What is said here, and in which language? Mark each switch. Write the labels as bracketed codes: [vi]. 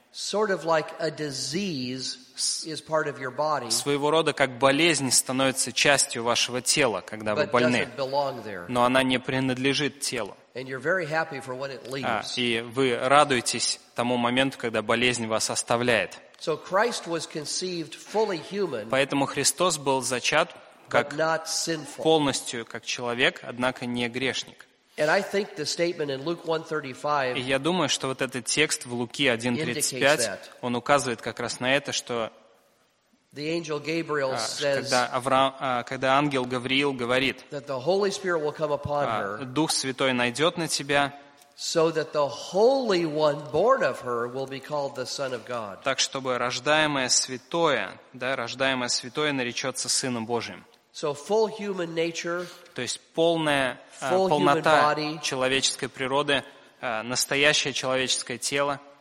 [en] Sort of like a disease is part of your body. [ru] Своего рода как болезнь становится частью вашего тела, когда вы больны. [en] But doesn't belong there. [ru] Но она не принадлежит телу. [en] And you're very happy for when it leaves. [ru] И вы радуетесь тому моменту, когда болезнь вас оставляет. [en] So Christ was conceived fully human. [ru] Поэтому Христос был зачат как полностью как человек, однако не грешник. [en] And I think the statement in Luke 1:35. [ru] И я думаю, что вот этот текст в Луки 1:35, он указывает как раз на это, что [en] The angel Gabriel says, [ru] когда ангел Гавриил говорит, [en] that the Holy Spirit will come upon her, [ru] Дух Святой найдет на тебя, [en] so that the Holy One born of her will be called the Son of God. [ru] Так чтобы рождаемое святое, да, рождаемое святое наречется Сыном Божьим. [en] So full human nature, [ru] то есть полная, полнота человеческой природы, настоящее человеческое тело,